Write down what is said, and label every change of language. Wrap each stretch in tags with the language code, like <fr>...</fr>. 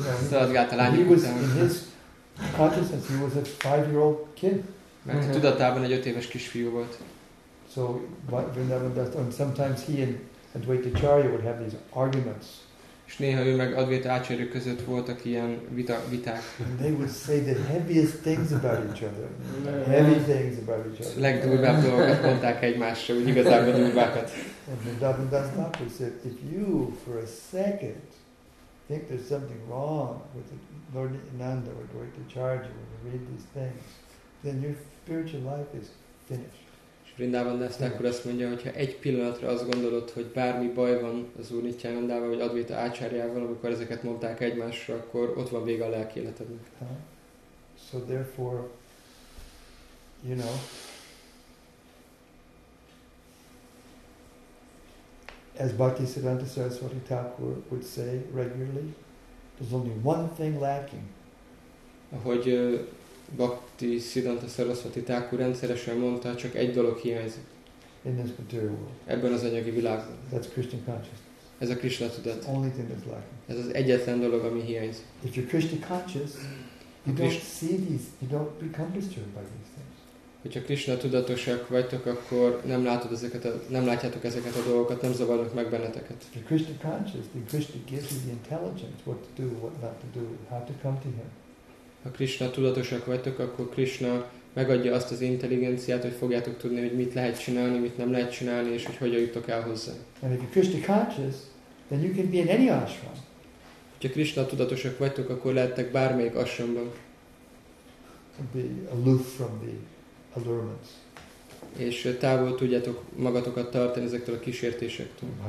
<hu>Szaladgált a lányok után.</hu> <en>In his consciousness, he was a 5-year-old kid.</en> <hu>Mert mm-hmm. tudatában egy 5 éves kisfiú volt.</hu> <en>So, but Vrindavan Das, and sometimes he and Advaita Acharya would have these arguments.</en> <hu>És néha ő meg Advaita Acharya között voltak ilyen viták.</hu> <en>And they would say the heaviest things about each other. Heavy things about each other.</en> <hu>Legdurvább dolgokat mondták egymásra, úgy igazából durvákat.</hu> <en>And Vrindavan Das Thakur said, if you, for a second, think there's something wrong with the Lord Nanda or Advaita Acharya when you read these things, then your spiritual life is finished.</en> <hu>Vrindavan Das Thakur azt mondja, hogy ha egy pillanatra azt gondolod, hogy bármi baj van az Úr Nityánandával, vagy Advaita Acharyával, amikor ezeket mondták egymásra, akkor ott van vége a lelki életednek.</hu> <en>So therefore, you know, as Bhaktisiddhanta Saraswati Thakur would say regularly, there's only one thing lacking.</en> <hu>Ahogy Bhakti Siddhanta Saraswati Thakur rendszeresen mondta, csak egy dolog hiányzik.</hu> <en>In this material world.</en> <hu>Ebben az anyagi világban.</hu> <en>That's Krishna consciousness.</en> <hu>Ez a Krishna tudat.</hu> <en>The only thing that's lacking.</en> <hu>Ez az egyetlen dolog, ami hiányzik.</hu> <en>If you're Krishna conscious, you don't see these, you don't become disturbed by these things.</en> <hu>Hogyha Krishna tudatosak vagytok, akkor nem látod ezeket, nem látjátok ezeket a dolgokat, nem zavarnak meg benneteket.</hu> <en>If you're Krishna conscious, then Krishna gives you the intelligence, what to do, what not to do, how to come to him.</en> <hu>Ha Krishna tudatosak vagytok, akkor Krishna megadja azt az intelligenciát, hogy fogjátok tudni, hogy mit lehet csinálni, mit nem lehet csinálni, és hogy hogyan jutok el hozzá.</hu> <en>And if you're Krishna conscious, then you can be in any ashram.</en> <hu>Ha Krishna tudatosak vagytok, akkor lehettek bármelyik ashramban.</hu> <en>Be aloof from the allurements.</en> <hu>És távol tudjátok magatokat tartani ezektől a kísértésektől.</hu>